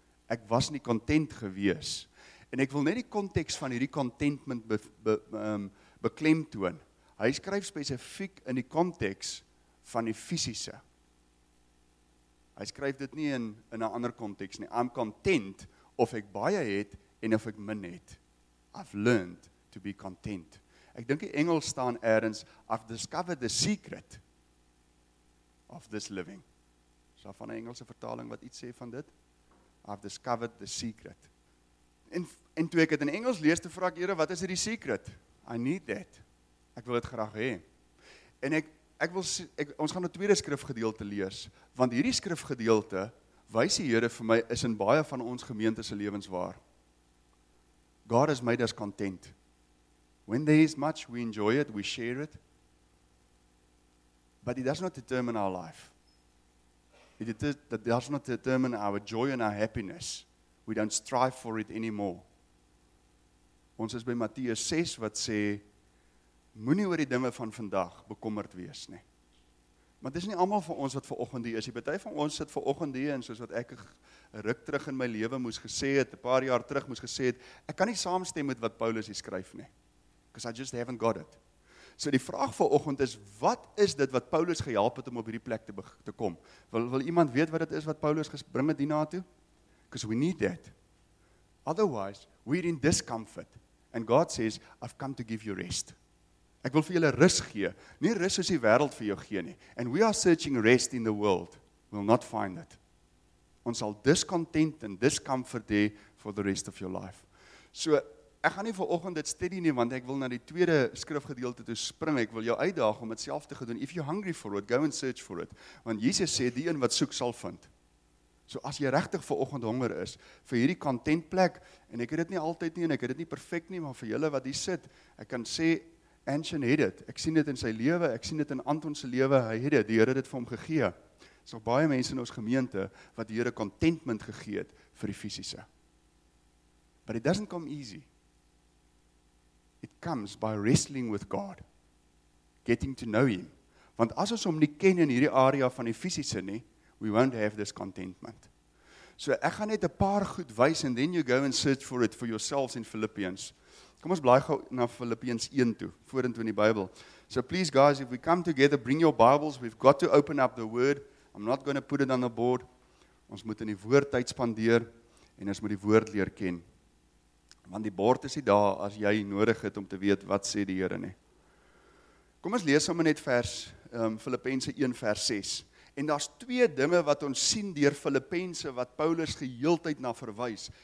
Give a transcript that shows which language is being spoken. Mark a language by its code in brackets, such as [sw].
[af] Ek was nie content gewees. En ek wil net die konteks van hierdie contentment beklemtoon. Hy skryf spesifiek in die konteks van die fisiese. Hy skryf dit nie in 'n ander konteks nie. [en] I'm content [af] of ek baie het en of ek min het. [en] I've learned to be content. [af] Ek dink die Engels staan ergens, [en] I've discovered the secret of this living. [af] Is daar van 'n Engelse vertaling wat iets sê van dit? [en] I've discovered the secret. [af] En toe ek het in Engels lees, te vraag Here, wat is hierdie secret? [en] I need that. [af] Ek wil dit graag hê. En ons gaan 'n tweede skrifgedeelte lees, want hierdie skrifgedeelte, wys die Here vir my, is in baie van ons gemeente se lewens waar. [en] God has made us content. When there is much, we enjoy it, we share it. But it does not determine our life. It does not determine our joy and our happiness. We don't strive for it anymore. [af] Ons is by Matteus 6 wat sê, moenie oor die dinge van vandag bekommerd wees nie. Maar dis nie almal van ons wat vanoggend hier is. Die party van ons sit vanoggend hier en soos wat ek 'n ruk terug in my lewe moes gesê het, 'n paar jaar terug moes gesê het, ek kan nie saamstem met wat Paulus hier skryf nie. [en] Because I just haven't got it. [af] So die vraag vanoggend is, wat is dit wat Paulus gehelp het om op hierdie plek te kom? Wil iemand weet wat dit is wat Paulus bring het hiernatoe? [en] Because we need that. Otherwise, we're in discomfort. And God says, I've come to give you rest. [af] Ek wil vir julle rus gee. Nie rus soos die wêreld vir jou gee nie. [en] And we are searching rest in the world. We'll not find it. [af] Ons sal discontent en discomfort hê [en] for the rest of your life. [af] So, ek gaan nie vanoggend dit steady nie, want ek wil na die tweede skrifgedeelte toe spring. Ek wil jou uitdaag om dit self te gedoen. [en] If you're hungry for it, go and search for it. [af] Want Jesus sê, die een wat soek sal vind. So as jy regtig vanoggend honger is vir hierdie content plek, en ek het dit nie altyd nie, en ek het dit nie perfek nie, maar vir julle wat hier sit, ek kan sê, Anton het dit. Ek sien dit in sy lewe, ek sien dit in Anton se lewe, hy het dit, die Here het dit vir hom gegee. Is nog baie mense in ons gemeente wat die Here contentment gegee het vir die fisiese. [en] But it doesn't come easy. It comes by wrestling with God, getting to know him. [af] Want as ons hom nie ken in hierdie area van die fisiese nie, [en] we won't have this contentment. [af] So ek gaan net 'n paar goed wys [en] and then you go and search for it for yourselves in Philippians. [af] Kom ons blaai gou na Filippeens 1 toe, vorentoe in die Bybel. [en] So please guys, if we come together, bring your Bibles, we've got to open up the word. I'm not going to put it on the board. [af] Ons moet in die woord tyd spandeer en ons moet die woord leer ken. Want die bord is die daar as jy nodig het om te weet wat sê die Here nie. Kom ons lees sommer net vers Filippense 1 vers 6. En daar's twee dinge wat ons sien deur Filippense wat Paulus geheeltyd na verwys.